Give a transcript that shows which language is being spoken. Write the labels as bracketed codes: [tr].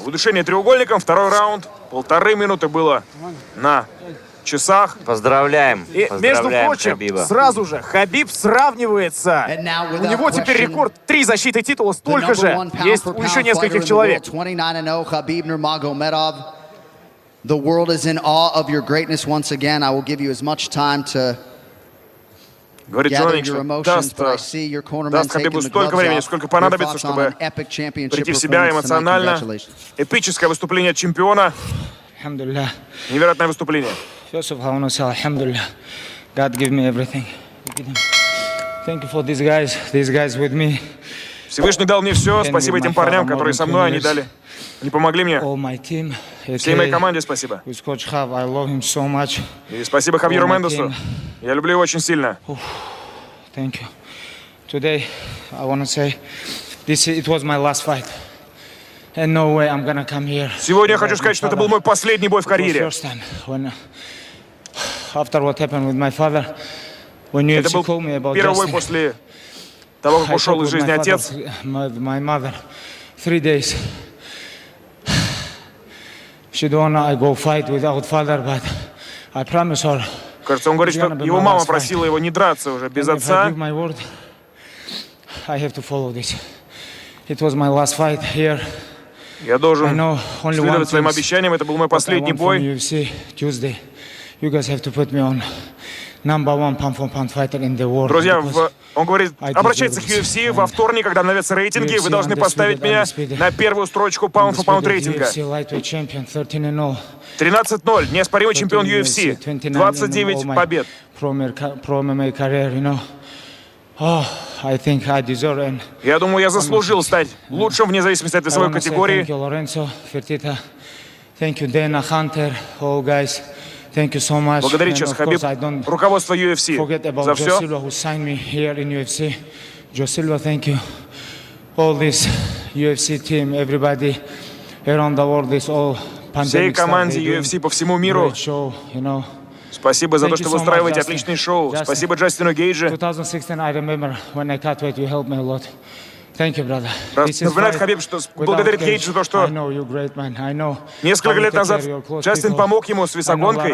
[ru] Удушение треугольником. Второй раунд. 1.5 минуты было на часах. Поздравляем. И, поздравляем, между прочим, Хабиба. Сразу же Хабиб сравнивается. У него теперь рекорд 3 защиты титула. Столько же есть у еще нескольких человек. Хабиб Нурмагомедов. [en] The world is in awe of your greatness once again. I will give you as much time to... [ru] Говорит Джоник, что даст Хабибу столько времени, сколько понадобится, чтобы прийти в себя эмоционально. Эпическое выступление чемпиона. Невероятное выступление. [en] First of all, I want to say Alhamdulillah. God give me everything. Thank you for these guys. These guys with me. [ru] Всевышний дал мне все. Спасибо этим парням, которые со мной, они дали. Они помогли мне. [en] All my team. [ru] Всей моей команде спасибо. [en] With Coach Hav, I love him so much. [ru] И спасибо Хавьеру Мендесу. Я люблю его очень сильно. [en] Thank you. Today I want to say this, it was my last fight. And no way I'm gonna come here. [ru] Сегодня я хочу сказать, что это был мой последний бой в карьере. [en] First time when, after what happened with my father, when UFC called me about [ru] this. Это был первый бой после того, как ушел из жизни отец. [en] My mother, 3 days. She don't wanna go fight without father, but I promise her. [ru] Кажется, он говорит, что его мама просила его не драться уже без отца. [en] I have to follow this. It was my last fight here. [ru] Я должен следовать своим обещаниям. Это был мой последний бой. [en] UFC Tuesday. You guys have to put me on number one pound for pound fighter in the world. [ru] Друзья, он говорит, обращается к UFC во вторник, когда обновятся рейтинги. UFC, вы должны поставить меня на первую строчку pound for pound рейтинга. [en] UFC lightweight champion 13-0. 13-0. [ru] Неоспоримый чемпион UFC. 29 побед. [en] Pro MMA career, you know. Oh, I think I deserve it. [ru] Я думаю, я заслужил стать лучшим вне зависимости от весовой категории. [en] Thank you, Lorenzo, Fertitta. Thank you, Dana, Hunter, all guys. Thank you so much. [ru] Благодарю сейчас, Хабиб, руководство UFC [en] forget about [ru] за все. [en] Joe Silva, who signed me here in UFC. Joe Silva, thank you. All this UFC team, everybody around the world, this all pandemic [ru] всей команде stuff, UFC по всему миру. [en] Great show, you know. [ru] Спасибо за то, что вы устраиваете отличный шоу. Спасибо Джастину Гейджи. [en] 2016, I remember when I cut weight, you helped me a lot. Thank you, brother. [ru] Напоминает Хабиб, что благодарит Гейджи за то, что [en] I know you're great, man. I know. [ru] Несколько лет назад Джастин помог ему с весогонкой.